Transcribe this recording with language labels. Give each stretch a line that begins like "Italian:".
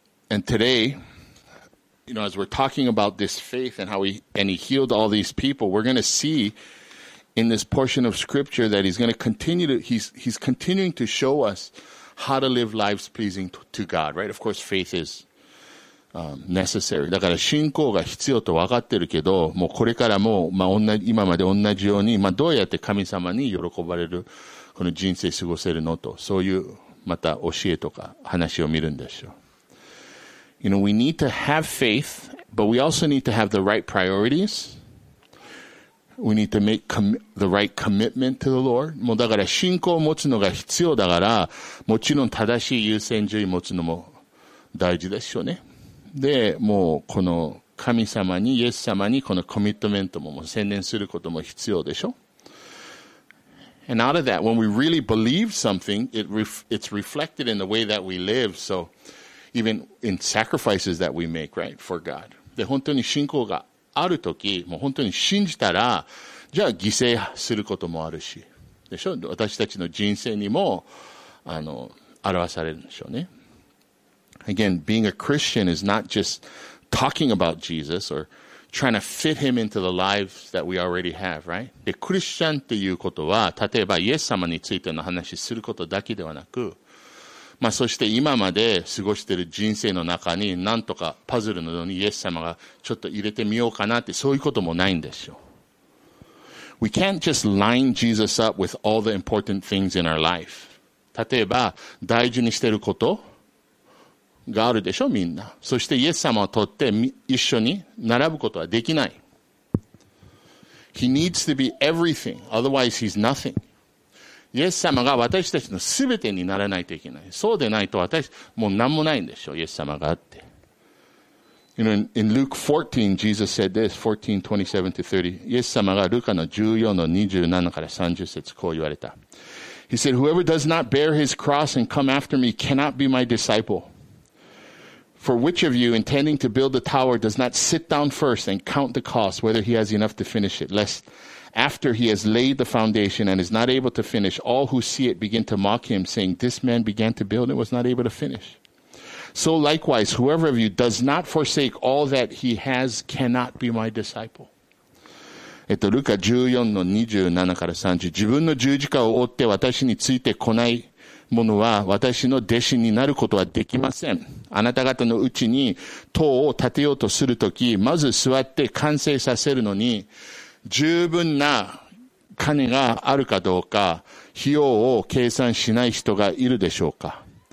English: And today, you know, as we're talking about this faith and how he healed all these people, we're going to seeIn this portion of scripture that he's continuing to show us how to live lives pleasing to God, right? Of course, faith is, necessary.
Japanese: だから信仰が必要と分かってるけど、もうこれからも、まあ同じ、今まで同じように、まあどうやって神様に喜ばれる、この人生過ごせるのと、そういう、また教えとか話を見るんでしょう。
English: You know, we need to have faith, but we also need to have the right priorities. We need to make the right commitment to the Lord.
Japanese: もうだから信仰を持つのが必要だから、もちろん正しい優先順位を持つのも大事ですよね。で、もうこの神様に、イエス様にこのコミットメントももう専念することも必要でしょ。
English: And out of that, when we really believe something, it's reflected in the way that we live. So even in sacrifices that we make, right, for God.
Japanese: で、本当に信仰が、あるとき、もう本当に信じたら、じゃあ犠牲することもあるし、でしょ？私たちの人生にも、表されるんでしょうね。
English: Again, being a Christian is not just talking about Jesus or trying to fit him into the lives that we already have, right?
Japanese: で、クリスチャンっていうことは、例えばイエス様についての話することだけではなく、まあ、そして今まで過ごしている人生の中に何とかパズルのようにイエス様がちょっと入れてみようかなってそういうこともないんですよ。
English: We can't just line Jesus up with all the important things in our life.
Japanese: 例えば大事にしていることがあるでしょみんな。そしてイエス様を取って一緒に並ぶことはできない。
English: He needs to be everything, otherwise he's nothing.
Japanese: イエス様が私たちのすべてにならないといけない。そうでないと私、もう何もないんでしょう、イエス様があって。
English: You know, in Luke 14, Jesus said this, 14:27-30.
Japanese: イエス様がルカの 14:27-30 節こう言われた。
English: He said, Whoever does not bear his cross and come after me cannot be my disciple. For which of you, intending to build a tower, does not sit down first and count the cost, whether he has enough to finish it, lest after he has laid the foundation and is not able to finish, all who see it begin to mock him, saying, this man began to build and was not able to finish. So likewise, whoever of you does not forsake all that he has cannot be my disciple.
Japanese: ルカ14-27から30 自分の十字架を追って私についてこない者は私の弟子になることはできません。あなた方のうちに塔を建てようとするとき、まず座って完成させるのに十分な金があるかどうか費用を計算しない人がいるでしょうか。